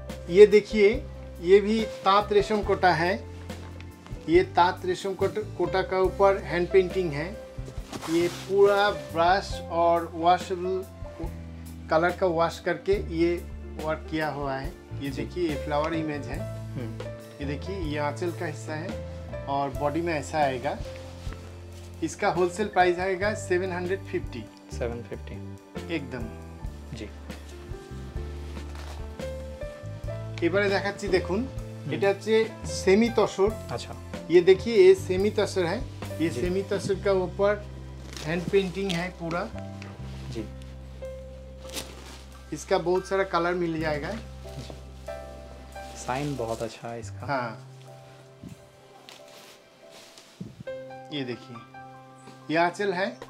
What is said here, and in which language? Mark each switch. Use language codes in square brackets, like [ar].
[hi] ये देखिए, ये भी तांत रेशम कोटा है, ये तांत रेशम कोटा का ऊपर हैंड पेंटिंग है, ये पूरा ब्रश और वॉशेबल कलर का वॉश करके ये वर्क किया हुआ है, ये देखिए, ये फ्लावर इमेज है, ये देखिए, ये आंचल का हिस्सा है और बॉडी में ऐसा आएगा, इसका होलसेल प्राइस आएगा 750 एकदम जी। [bn] এবারে দেখাচ্ছি, দেখুন এটা হচ্ছে সেমি তসর। আচ্ছা [hi] ये देखिए, ये सेमी तसर है, ये सेमी तसर का ऊपर हैंड पेंटिंग है पूरा जी, इसका बहुत सारा कलर मिल जाएगा, साइन बहुत अच्छा है इसका। हाँ ये देखिए, ये आंचल है